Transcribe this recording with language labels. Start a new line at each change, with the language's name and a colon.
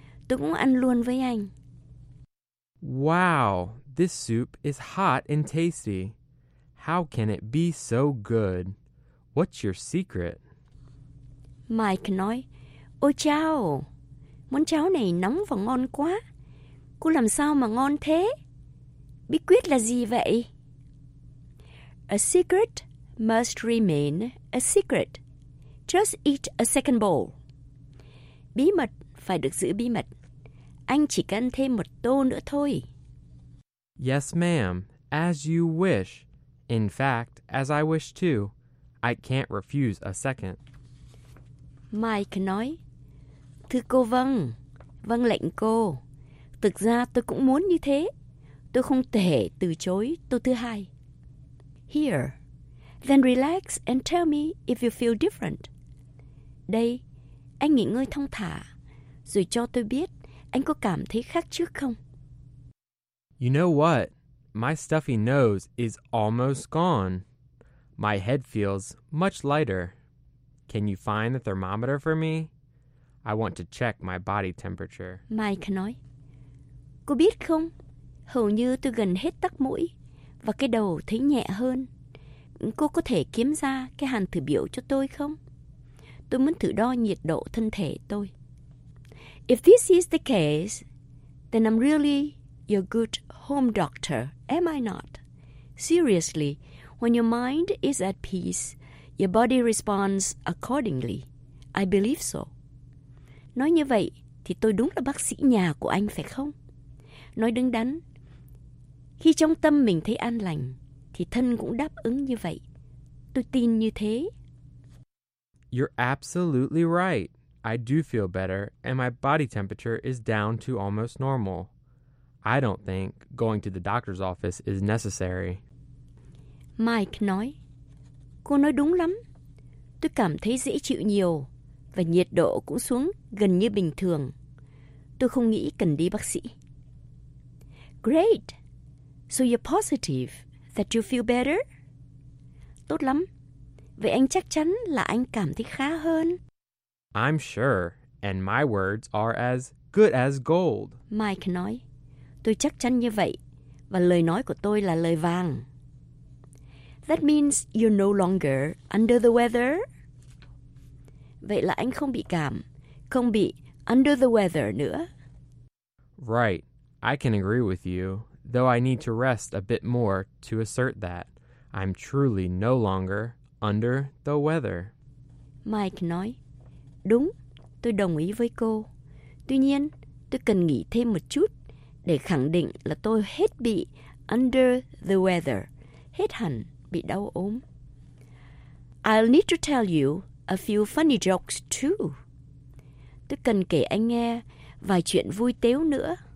Vietnamese: Tôi cũng ăn luôn với anh.
English: Wow, this soup is hot and tasty. How can it be so good? What's your secret?
Vietnamese: Mike nói, ôi cháo, món cháo này nóng và ngon quá. Cô làm sao mà ngon thế? Bí quyết là gì vậy?
English: A secret must remain a secret. Just eat a second bowl.
Vietnamese: Bí mật phải được giữ bí mật. Anh chỉ cần thêm một tô nữa thôi.
English: Yes, ma'am. As you wish. In fact, as I wish too. I can't refuse a second.
Vietnamese: Mike nói, thưa cô vâng, vâng lệnh cô. Thực ra tôi cũng muốn như thế. Tôi không thể từ chối tô thứ hai.
English: Here. Then relax and tell me if you feel different.
Vietnamese: Đây, anh nghỉ ngơi thong thả. Rồi cho tôi biết anh có cảm thấy khác trước không?
English: You know what? My stuffy nose is almost gone. My head feels much lighter. Can you find the thermometer for me? I want to check my body temperature.
Vietnamese: Mike nói, cô biết không? Hầu như tôi gần hết tắc mũi và cái đầu thấy nhẹ hơn. Cô có thể kiếm ra cái hàn thử biểu cho tôi không? Tôi muốn thử đo nhiệt độ thân thể tôi.
English: If this is the case, then I'm really your good home doctor, am I not? Seriously, when your mind is at peace, your body responds accordingly. I believe so.
Vietnamese: Nói như vậy thì tôi đúng là bác sĩ nhà của anh phải không? Nói đứng đắn, khi trong tâm mình thấy an lành, thì thân cũng đáp ứng như vậy. Tôi tin như thế.
English: You're absolutely right. I do feel better, and my body temperature is down to almost normal. I don't think going to the doctor's office is necessary.
Vietnamese: Mike nói, cô nói đúng lắm. Tôi cảm thấy dễ chịu nhiều, và nhiệt độ cũng xuống gần như bình thường. Tôi không nghĩ cần đi bác sĩ.
English: Great. So you're positive that you feel better?
Vietnamese: Tốt lắm. Vậy anh chắc chắn là anh cảm thấy khá hơn.
English: I'm sure. And my words are as good as gold.
Vietnamese: Mike nói, tôi chắc chắn như vậy. Và lời nói của tôi là lời vàng.
English: That means you're no longer under the weather.
Vietnamese: Vậy là anh không bị cảm, không bị
English: under the weather
Vietnamese: nữa.
English: Right. I can agree with you. though I need to rest a bit more to assert that. I'm truly no longer under the weather.
Vietnamese: Mike nói, đúng, tôi đồng ý với cô. Tuy nhiên, tôi cần nghỉ thêm một chút để khẳng định là tôi hết bị
English: under the weather,
Vietnamese: hết hẳn bị đau ốm.
English: I'll need to tell you a few funny jokes too.
Vietnamese: Tôi cần kể anh nghe vài chuyện vui tếu nữa.